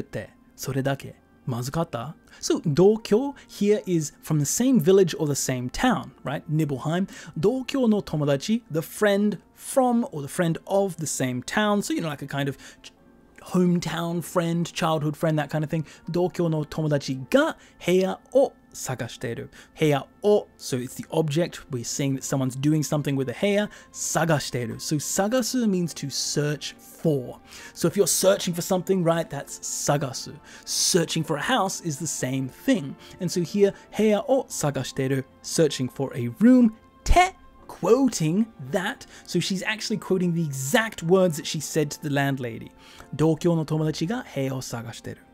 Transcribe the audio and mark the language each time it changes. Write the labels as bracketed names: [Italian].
[Japanese] 同郷の友達が部屋を探してるってそれだけまずかった? [English] So 同郷 here is from the same village or the same town, right? Nibelheim. 同郷の友達, the friend from or the friend of the same town. So, you know, like a kind of hometown friend, childhood friend, that kind of thing. [Japanese] 同郷の友達が部屋を 探してる. [English] 部屋を, so it's the object. We're seeing that someone's doing something with a 部屋. 探してる.So 探す means to search for. So if you're searching for something, right, that's 探す. Searching for a house is the same thing. And so here, [Japanese] 部屋を探してる, [English] searching for a room, te, quoting that. So she's actually quoting the exact words that she said to the landlady. [Japanese] 同郷の友達が部屋を探してる.